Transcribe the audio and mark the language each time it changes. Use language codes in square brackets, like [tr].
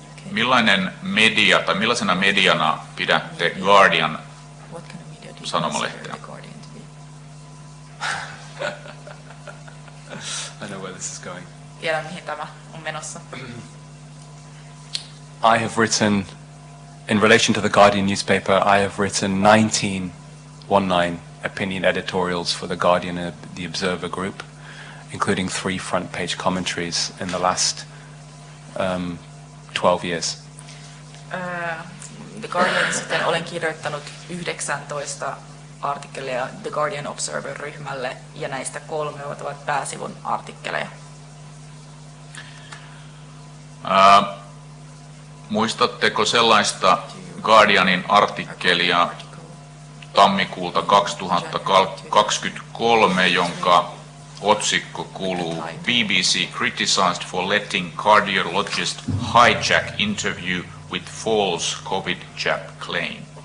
[fi] Millainen media, tai millaisena mediana pidätte Guardian sanomalehteä? [en] I know where this is going. [fi] Tiedän, mihin tämä on menossa. [en] I have written, in relation to the Guardian newspaper, I have written 19 opinion editorials for the Guardian and the Observer group, including 3 front page commentaries in the last 12 years. [fi] The Guardian sitten olen kirjoittanut 19 artikkeleja The Guardian Observer-ryhmälle, ja näistä 3 ovat pääsivun artikkeleja. Muistatteko sellaista Guardianin artikkelia tammikuulta 2023, jonka otsikko kuuluu [en] BBC criticized for letting cardiologist hijack interview with false COVID jab claim?